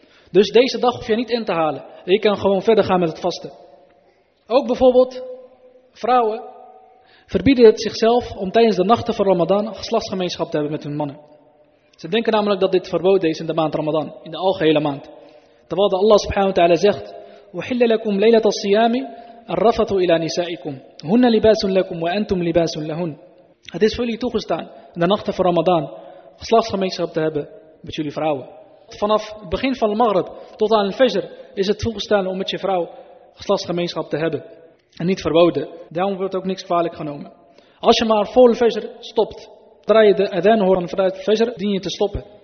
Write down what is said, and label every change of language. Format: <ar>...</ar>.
<nl>Dus deze dag hoef je niet in te halen. Je kan gewoon verder gaan met het vasten. Ook bijvoorbeeld, vrouwen verbieden het zichzelf om tijdens de nachten van Ramadan geslachtsgemeenschap te hebben met hun mannen. Ze denken namelijk dat dit verboden is in de maand Ramadan, in de algehele maand. Terwijl Allah subhanahu wa ta'ala zegt,</nl> <ar>وَحِلَّ لَكُمْ لَيْلَةَ الصِّيَامِ الرَّفَثُ إِلَىٰ نِسَائِكُمْ هُنَّ لِبَاسٌ لَكُمْ وَأَنْتُمْ لِبَاسٌ لَهُنْ.</ar> <nl>Het is voor jullie toegestaan in de nachten van Ramadan geslachtsgemeenschap te hebben met jullie vrouwen. Vanaf het begin van de maghrib tot aan de fajr is het toegestaan om met je vrouw geslachtsgemeenschap te hebben. En niet verboden. Daarom wordt ook niks kwalijk genomen. Als je maar voor de fajr stopt, draai je de adhan horen vanuit de fajr, dien je te stoppen.</nl>